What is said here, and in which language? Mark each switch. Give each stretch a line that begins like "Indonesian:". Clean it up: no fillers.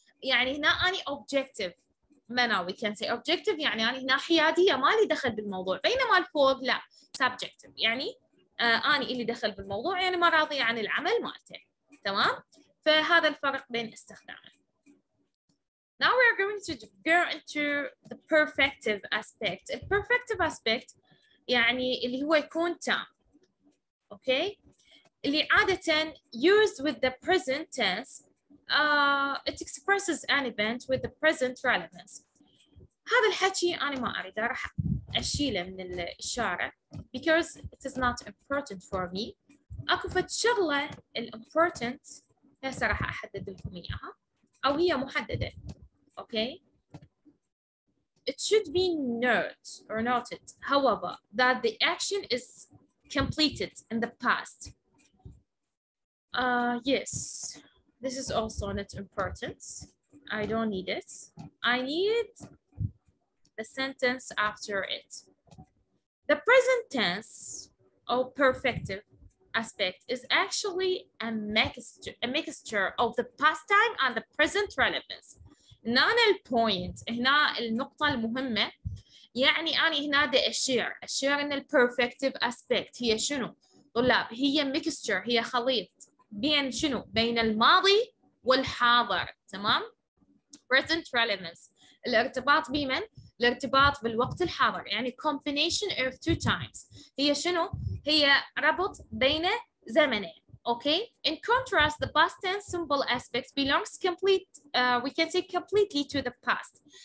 Arabic: يعني هنا أني objective منا
English: we can say objective
Arabic: يعني أني هنا حيادية ما لي دخل بالموضوع بينما الفوق لا subjective يعني أني اللي دخل بالموضوع يعني ما راضي عن العمل مالته تمام فهذا الفرق بين استخدامه
English: Now we are going to go into the perfective aspect. The perfective aspect,
Arabic: يعني اللي هو يكون تام.
English: Okay? اللي عادة used with the present tense, it expresses an event with the present relevance.
Arabic: هذا الحكي أنا ما أريده راح أشيله من الشارع
English: because it is not important for me.
Arabic: أكو فتشغلة الimportant هسه راح أحدد لكم إياها أو هي محددة.
English: Okay. It should be noted, however, that the action is completed in the past. Yes, this is also not important. I don't need it. I need the sentence after it. The present tense or perfective aspect is actually a mixture of the past time and the present relevance.
Arabic: هنا البوينت هنا النقطة المهمة يعني أنا هنا دي أشير إن البرفكتيف أسبكت هي شنو؟ طلاب هي ميكستشر هي خليط بين شنو؟ بين الماضي والحاضر تمام؟
English: present relevance
Arabic: الارتباط بمن؟ الارتباط بالوقت الحاضر يعني combination of two times هي شنو؟ هي ربط بين زمنين
English: Okay, in contrast, the past tense simple aspect belongs complete, we can say completely to the past.